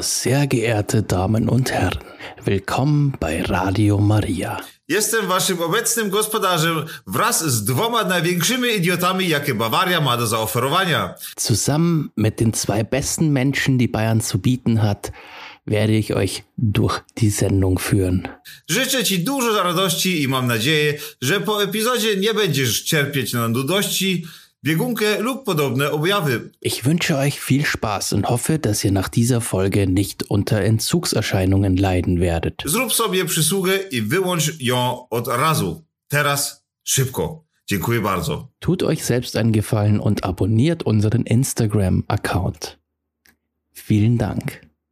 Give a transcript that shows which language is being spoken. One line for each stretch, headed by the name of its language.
German: Sehr geehrte Damen und Herren, willkommen bei Radio Maria.
Polish: Jestem waszym obecnym gospodarzem wraz z dwoma największymi idiotami, jakie Bawaria ma do zaoferowania.
German: Zusammen mit den zwei besten Menschen, die Bayern zu bieten hat, werde ich euch durch die Sendung führen.
Polish: Życzę ci dużo radości i mam nadzieję, że po epizodzie nie będziesz cierpieć na nudości, biegunkę lub podobne objawy.
German: Ich wünsche euch viel Spaß und hoffe, dass ihr nach dieser Folge nicht unter Entzugserscheinungen leiden werdet.
Polish: Zrób sobie przysługę i wyłącz ją od razu. Teraz szybko. Dziękuję bardzo.
German: Tut euch selbst einen Gefallen und abonniert unseren Instagram-Account. Vielen Dank.